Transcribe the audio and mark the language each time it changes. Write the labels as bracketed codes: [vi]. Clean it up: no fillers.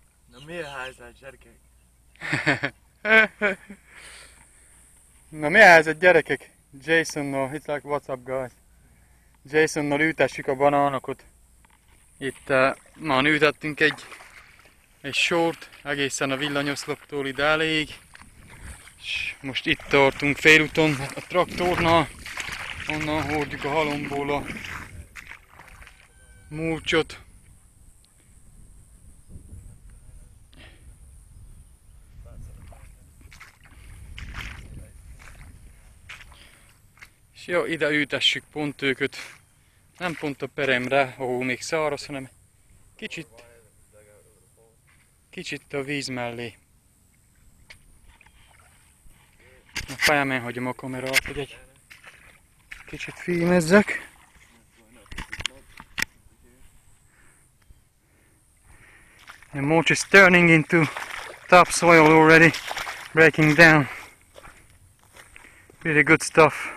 [hu] Na mi a helyzet, gyerekek? Na mi a helyzet, gyerekek? [en] Jasonnal, it's like what's up guys. [hu] Jasonnal ültessük a banánokot. Itt ma ültettünk egy sort egészen a villanyoszloptól idáig. És most itt tartunk félúton a traktornál. Onnan hordjuk a halomból a mulcsot. És jó, ide ültessük pont őköt. Nem pont a peremre, ahol még száraz, hanem kicsit a víz mellé. A fejemen hagyom a kamerát, hogy egy kicsit filmezzek. [en] The mulch is turning into topsoil already, breaking down. Really good stuff.